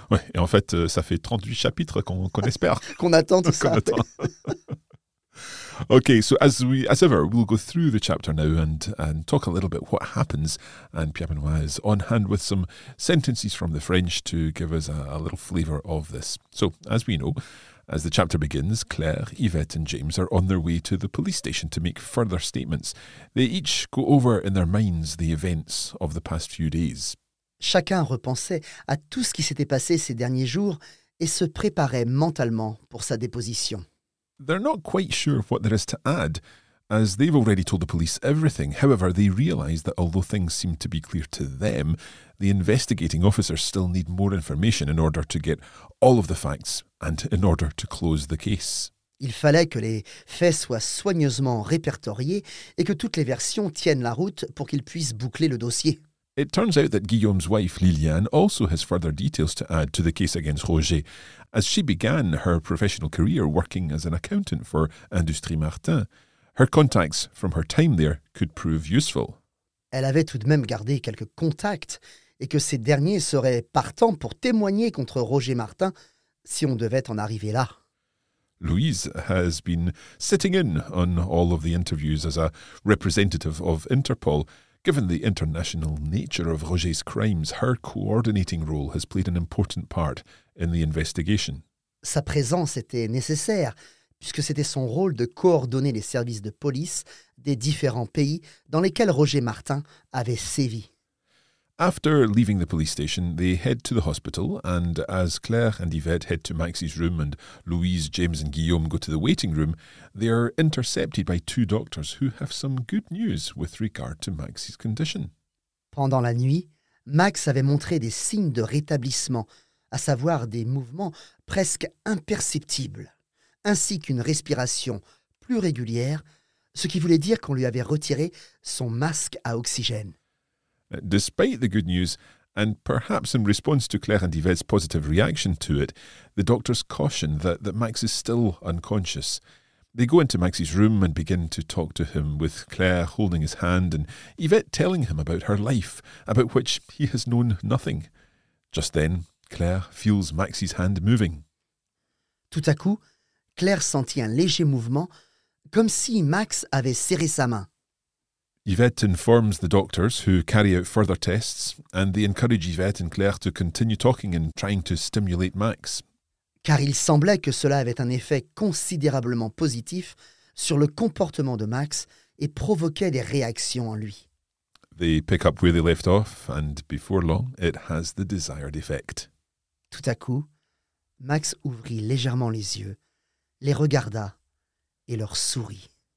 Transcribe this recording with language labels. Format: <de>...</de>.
<fr>Ouais, et en fait, ça fait 38 chapitres qu'on espère. qu'on attend tout qu'on ça. Attend.</fr> <en>Okay, so as ever, we'll go through the chapter now and talk a little bit what happens. And Pierre Benoit is on hand with some sentences from the French to give us a little flavour of this. So, as we know, as the chapter begins, Claire, Yvette and James are on their way to the police station to make further statements. They each go over in their minds the events of the past few days.</en> <fr>Chacun repensait à tout ce qui s'était passé ces derniers jours et se préparait mentalement pour sa déposition.</fr> <en>They're not quite sure what there is to add, as they've already told the police everything. However, they realise that although things seem to be clear to them, the investigating officers still need more information in order to get all of the facts and in order to close the case.</en> <fr>Il fallait que les faits soient soigneusement répertoriés et que toutes les versions tiennent la route pour qu'ils puissent boucler le dossier.</fr> <en>It turns out that Guillaume's wife, Liliane, also has further details to add to the case against Roger, as she began her professional career working as an accountant for Industrie Martin. Her contacts from her time there could prove useful.</en> <fr>Elle avait tout de même gardé quelques contacts et que ces derniers seraient partants pour témoigner contre Roger Martin si on devait en arriver là.</fr> <en>Louise has been sitting in on all of the interviews as a representative of Interpol. Given the international nature of Roger's crimes, her coordinating role has played an important part in the investigation.</en> <fr>Sa présence était nécessaire, puisque c'était son rôle de coordonner les services de police des différents pays dans lesquels Roger Martin avait sévi.</fr> <en>After leaving the police station, they head to the hospital, and as Claire and Yvette head to Maxie's room and Louise, James and Guillaume go to the waiting room, they are intercepted by two doctors who have some good news with regard to Maxie's condition.</en> <fr>Pendant la nuit, Max avait montré des signes de rétablissement, à savoir des mouvements presque imperceptibles, ainsi qu'une respiration plus régulière, ce qui voulait dire qu'on lui avait retiré son masque à oxygène.</fr> <en>Despite the good news, and perhaps in response to Claire and Yvette's positive reaction to it, the doctors caution that Max is still unconscious. They go into Max's room and begin to talk to him, with Claire holding his hand and Yvette telling him about her life, about which he has known nothing. Just then, Claire feels Max's hand moving.</en> <fr>Tout à coup, Claire sentit un léger mouvement, comme si Max avait serré sa main.</fr> <en>Yvette informs the doctors, who carry out further tests, and they encourage Yvette and Claire to continue talking and trying to stimulate Max.</en> <fr>Car il semblait que cela avait un effet considérablement positif sur le comportement de Max et provoquait des réactions en lui.</fr> <en>They pick up where they left off, and before long, it has the desired effect.</en> <fr>Tout à coup, Max ouvrit légèrement les yeux, les regarda et leur sourit.</fr>